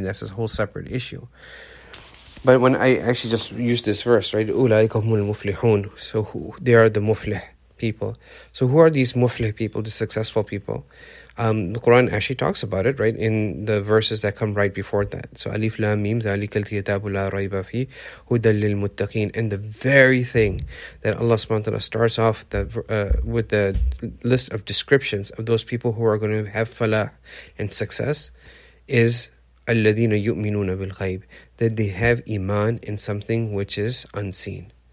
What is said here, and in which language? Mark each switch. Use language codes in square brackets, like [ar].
[en] That's a whole separate issue. But when I actually just use this verse, right? [ar] أُولَٰئِكَ هُمُ الْمُفْلِحُونَ. [en] So who, they are the muflih people. So who are these muflih people, the successful people? The Quran actually talks about it, right, in the verses that come right before that. [ar] So Alif Lam Mim, ذَلِكَ الْكِتَابُ لَا رَيْبَ فِي هُدًى لِلْمُتَّقِينَ. [en] And the very thing that Allah subhanahu wa ta'ala starts off the, with the list of descriptions of those people who are going to have falah and success is [ar] الَّذِينَ يُؤْمِنُونَ بِالْغَيْبِ, [en] that they have iman in something which is unseen.